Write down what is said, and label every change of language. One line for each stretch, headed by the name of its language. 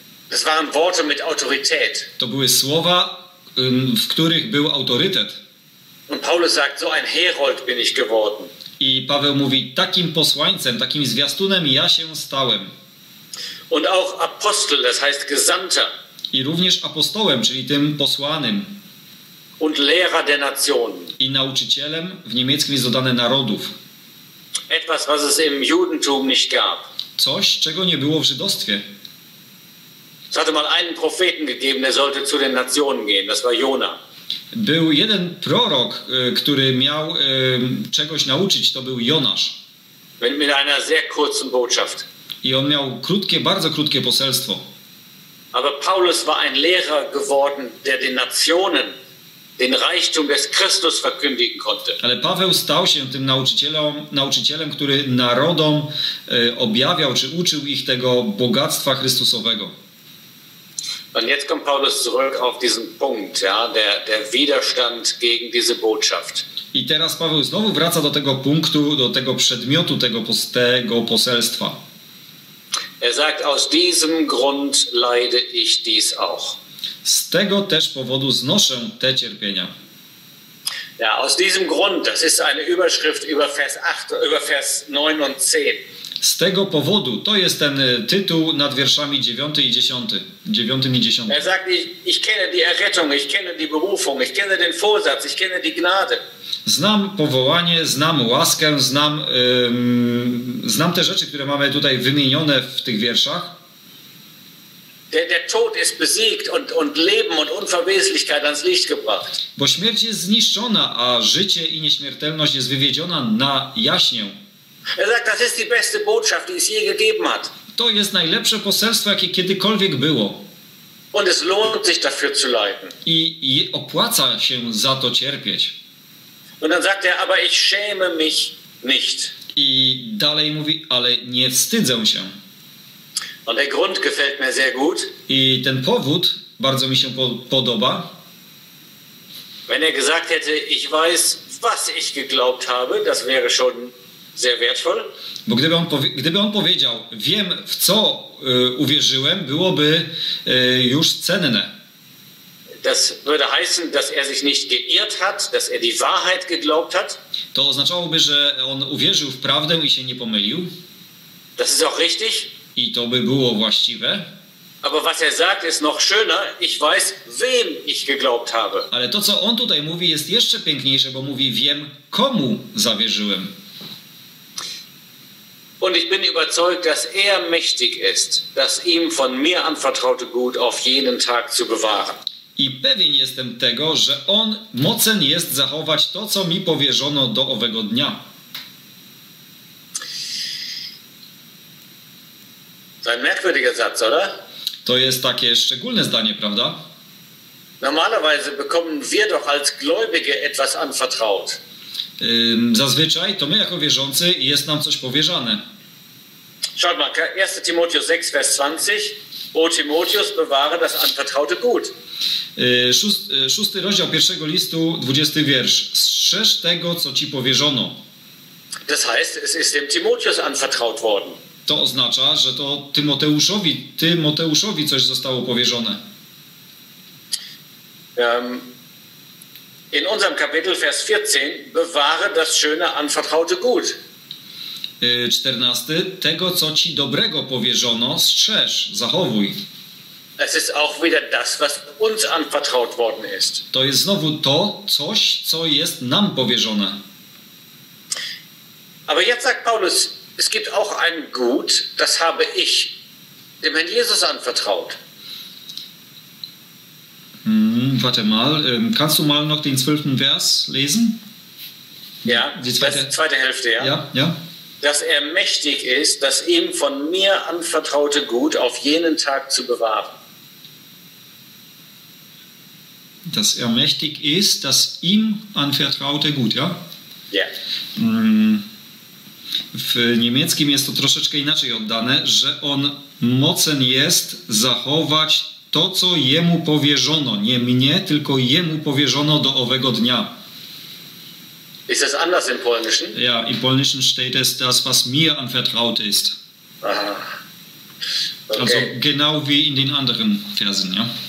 German: Das waren Worte mit Autorität.
Polish: To były słowa, w których był autorytet.
German: Und Paulus sagt, so ein Herold bin ich geworden.
Polish: I Paweł mówi, takim posłańcem, takim zwiastunem ja się stałem.
German: Und auch Apostel, das heißt Gesandter.
Polish: I również apostołem, czyli tym posłanym.
German: Und Lehrer der Nation.
Polish: I nauczycielem, w niemieckim jest dodane narodów.
German: Etwas, was es im Judentum nicht gab.
Polish: Coś, czego nie było w żydostwie.
German: Es hatte mal einen Propheten gegeben, der sollte zu den Nationen gehen. Das war Jona.
Polish: Był jeden prorok, który miał czegoś nauczyć. To był Jonasz.
German: Mit einer sehr kurzen Botschaft.
Polish: I on miał krótkie, bardzo krótkie poselstwo.
German: Aber Paulus war ein Lehrer geworden, der den Nationen den Reichtum des Christus verkündigen konnte.
Polish: Ale Paweł stał się tym nauczycielem, który narodom objawiał czy uczył ich tego bogactwa Chrystusowego.
German: Und jetzt kommt Paulus zurück auf diesen Punkt, ja, der Widerstand gegen diese Botschaft.
Polish: I teraz Paweł znowu wraca do tego punktu, do tego przedmiotu tego poselstwa.
German: Er sagt, aus diesem Grund leide ich dies auch.
Polish: Z tego też powodu znoszę te cierpienia.
German: Ja, aus diesem Grund, das ist eine Überschrift über Vers 8, über Vers 9 und 10.
Polish: Z tego powodu, to jest ten tytuł nad wierszami 9 i 10.
German: Er sagt, ich kenne die Errettung, ich kenne die Berufung, ich kenne den Vorsatz, ich kenne die Gnade.
Polish: Znam powołanie, znam łaskę, znam te rzeczy, które mamy tutaj wymienione w tych wierszach.
German: Der Tod ist besiegt und Leben und Unverweslichkeit ans Licht gebracht.
Polish: Bo śmierć jest zniszczona, a życie i nieśmiertelność jest wywiedziona na jaśnię.
German: Er sagt, das ist die beste Botschaft, die es je gegeben hat.
Polish: To jest najlepsze poselstwo, jakie kiedykolwiek było.
German: Und es lohnt sich dafür zu leiden.
Polish: I opłaca się za to cierpieć.
German: Und dann sagt er, aber ich schäme mich nicht.
Polish: I dalej mówi, ale nie wstydzę się.
German: Und der Grund gefällt mir sehr gut.
Polish: I ten powód bardzo mi się podoba.
German: Wenn er gesagt hätte, ich weiß, was ich geglaubt habe, das wäre schon sehr wertvoll.
Polish: Bo gdyby on powiedział, wiem w co uwierzyłem, byłoby już cenne.
German: Das würde heißen, dass er sich nicht geirrt hat, dass er die Wahrheit geglaubt hat.
Polish: To oznaczałoby, że on uwierzył w prawdę i się nie pomylił.
German: Das ist auch richtig.
Polish: I to by było właściwe.
German: Aber was er sagt ist noch schöner. Ich weiß, wem ich geglaubt habe.
Polish: Ale to, co on tutaj mówi, jest jeszcze piękniejsze, bo mówi, wiem, komu zawierzyłem.
German: Und ich bin überzeugt, dass er mächtig ist, das ihm von mir anvertraute Gut auf jenen Tag zu bewahren.
Polish: I pewien jestem tego, że on mocen jest zachować to, co mi powierzono do owego dnia. To jest
German: merkwürdiger Satz, oder?
Polish: To jest takie szczególne zdanie, prawda?
German: Normalerweise bekommen wir doch als Gläubige etwas anvertraut.
Polish: Zazwyczaj to my jako wierzący jest nam coś powierzane.
German: Schaut mal, 1. Timotheus 6, Vers 20. O Timotheus, bewahre das anvertraute Gut.
Polish: 6 rozdział 1. listu, 20. wiersz. Strzeż tego, co ci powierzono.
German: Das heißt, es ist dem Timotheus anvertraut worden.
Polish: To oznacza, że to Tymoteuszowi coś zostało powierzone.
German: In unserem Kapitel Vers 14 bewahre das schöne anvertraute Gut.
Polish: 14. Tego, co ci dobrego powierzono, strzeż, zachowuj.
German: Es ist auch wieder das, was uns anvertraut worden ist.
Polish: To jest znowu to coś, co jest nam powierzone.
German: Aber jetzt sagt Paulus, es gibt auch ein Gut, das habe ich dem Herrn Jesus anvertraut. Warte mal, kannst du mal noch den 12. Vers lesen? Ja, die zweite Hälfte, ja. Ja. Dass er mächtig ist, das ihm von mir anvertraute Gut auf jenen Tag zu bewahren. Dass er mächtig ist, das ihm anvertraute Gut, ja? Ja.
Polish: W niemieckim jest to troszeczkę inaczej oddane, że on mocen jest zachować to, co jemu powierzono. Nie mnie, tylko jemu powierzono do owego dnia.
German: Ist das anders im Polnischen? Ja, im Polnischen steht es das, was mir anvertraut ist. Aha. Okay. Also genau wie in den anderen Versen, ja?